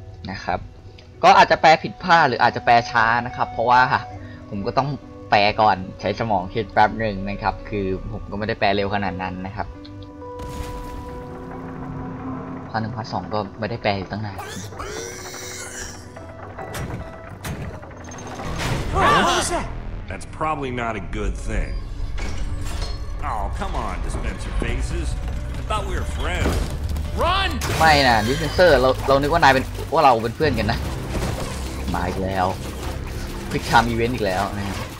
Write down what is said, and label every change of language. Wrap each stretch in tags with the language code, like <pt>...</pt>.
<th>นะครับก็อาจจะแปลผิดพลาดหรืออาจจะแปลช้านะครับเพราะว่าผมก็ต้องแปลก่อนใช้สมองคิดแป๊บหนึ่งนะครับคือผมก็ไม่ได้แปลเร็วขนาดนั้นนะครับพาร์ท1พาร์ท2ก็ไม่ได้แปลตั้งนาน</th> <en>That's probably not a good thing. Oh, come on, dispenser faces. I thought we were friends. Run!</en> <th>ไม่นะ dispenser เรานึกว่านายเป็นว่าเราเป็นเพื่อนกันนะมาอีกแล้วพลิกทำอีเวนต์อีกแล้วนะ</th>